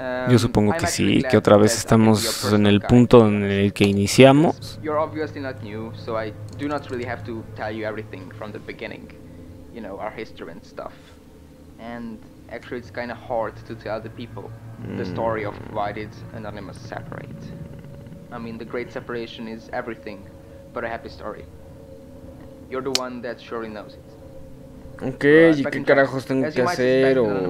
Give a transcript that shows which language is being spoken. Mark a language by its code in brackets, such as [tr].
[es] Yo supongo que sí, que otra vez estamos en el punto en el que iniciamos. [en] You're obviously not new, so I do not really have to tell you everything from the beginning. You know, our history and stuff. And actually it's kind of hard to tell the people the story of why did Anonymous separate. I mean, the great separation is everything but a happy story. You're the one that surely knows it. [es] Okay, ¿y qué carajos tengo que hacer o...?